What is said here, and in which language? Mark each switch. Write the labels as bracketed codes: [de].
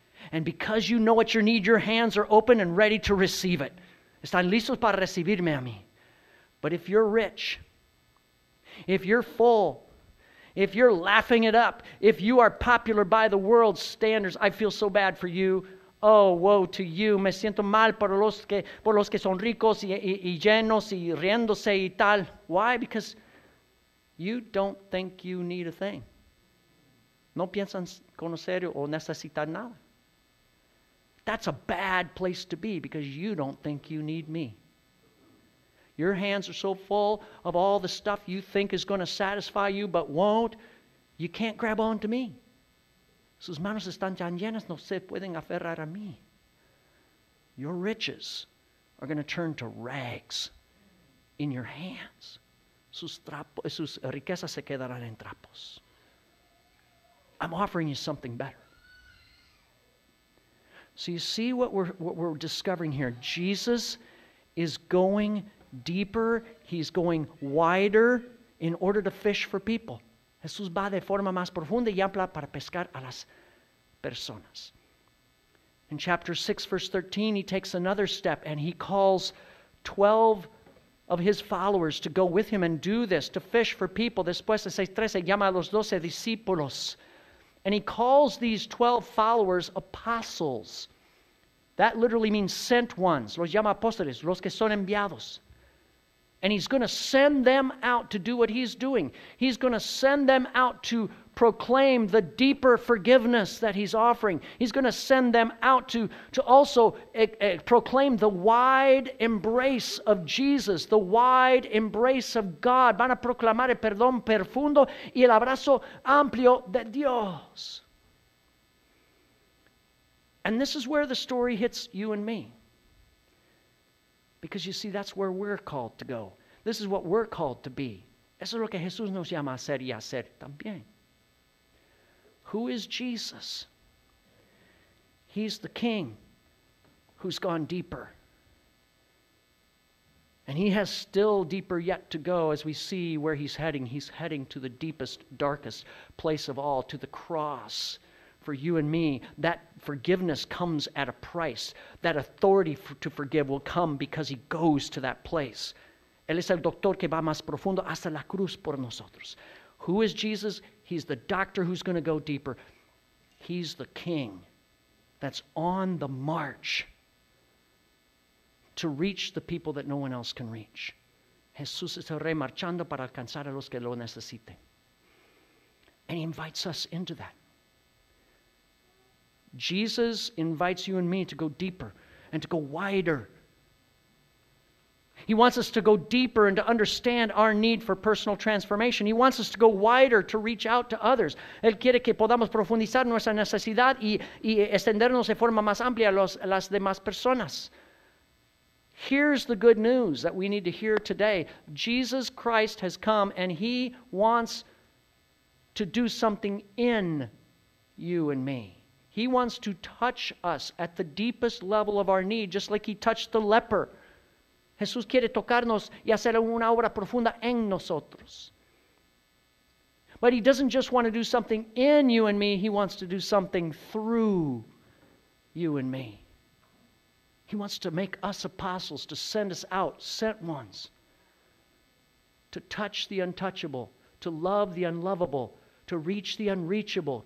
[en] And because you know what your need, your hands are open and ready to receive it. [es] Están listos para recibirme a mí. [en] But if you're rich, if you're full, if you're laughing it up, if you are popular by the world's standards, I feel so bad for you. Oh, woe to you. [es] Me siento mal por los que son ricos y llenos y riéndose y tal. [en] Why? Because you don't think you need a thing. [es] No piensan conocer o necesitar nada. [en] That's a bad place to be because you don't think you need me. Your hands are so full of all the stuff you think is going to satisfy you but won't. You can't grab on to me. [es] Sus manos están tan llenas, no se pueden aferrar a mí. [en] Your riches are going to turn to rags in your hands. [es] Sus riquezas se quedarán en trapos. [en] I'm offering you something better. So you see what we're discovering here. Jesus is going deeper. He's going wider in order to fish for people. [es] Jesús va de forma más profunda y amplia para pescar a las personas. [en] In chapter 6, verse 13, he takes another step and he calls 12 of his followers to go with him and do this, to fish for people. [es] Después de 6:13, llama a los 12 discípulos. [en] And he calls these 12 followers apostles. That literally means sent ones. [es] Los llama apóstoles, los que son enviados. [en] And he's going to send them out to do what he's doing. He's going to send them out to proclaim the deeper forgiveness that he's offering. He's going to send them out to also proclaim the wide embrace of Jesus, the wide embrace of God. [es] Van a proclamar el perdón profundo y el abrazo amplio de Dios. [en] And this is where the story hits you and me. Because you see, that's where we're called to go. This is what we're called to be. [es] Eso es lo que Jesús nos llama a ser y a ser también. [en] Who is Jesus? He's the King who's gone deeper. And he has still deeper yet to go as we see where he's heading. He's heading to the deepest, darkest place of all, to the cross. For you and me, that forgiveness comes at a price. That authority to forgive will come because he goes to that place. [es] Él es el doctor que va más profundo hasta la cruz por nosotros. [en] Who is Jesus? He's the doctor who's going to go deeper. He's the King that's on the march to reach the people that no one else can reach. [es] Jesús es el rey marchando para alcanzar a los que lo necesiten. [en] And he invites us into that. Jesus invites you and me to go deeper and to go wider. He wants us to go deeper and to understand our need for personal transformation. He wants us to go wider to reach out to others. [es] Él quiere que podamos profundizar nuestra necesidad y extendernos de forma más amplia a las demás personas. [en] Here's the good news that we need to hear today. Jesus Christ has come and he wants to do something in you and me. He wants to touch us at the deepest level of our need, just like he touched the leper. [es] Jesús quiere tocarnos y hacer una obra profunda en nosotros. [en] But he doesn't just want to do something in you and me, he wants to do something through you and me. He wants to make us apostles, to send us out, sent ones, to touch the untouchable, to love the unlovable, to reach the unreachable.